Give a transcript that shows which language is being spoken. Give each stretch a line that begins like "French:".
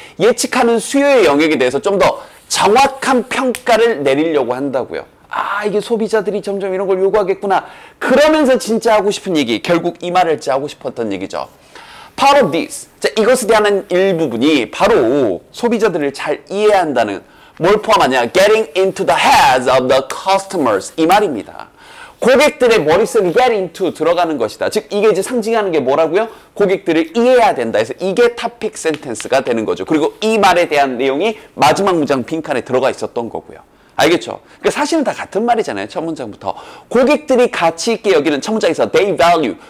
Korean: 예측하는 수요의 영역에 대해서 좀 더 정확한 평가를 내리려고 한다고요. 아, 이게 소비자들이 점점 이런 걸 요구하겠구나. 그러면서 진짜 하고 싶은 얘기, 결국 이 말을 진짜 하고 싶었던 얘기죠.
English: Part of this.
Korean: 자, 이것에 대한 일부분이 바로 소비자들을 잘 이해한다는, 뭘 포함하냐?
English: Getting into the heads of the customers.
Korean: 이 말입니다. 고객들의 머릿속에 get into, 들어가는 것이다. 즉, 이게 이제 상징하는 게 뭐라고요? 고객들을 이해해야 된다. 그래서 이게 topic sentence가 되는 거죠. 그리고 이 말에 대한 내용이 마지막 문장 빈칸에 들어가 있었던 거고요. 알겠죠? 그러니까 사실은 다 같은 말이잖아요. 첫 문장부터. 고객들이 가치 있게 여기는, 첫 문장에서 they value.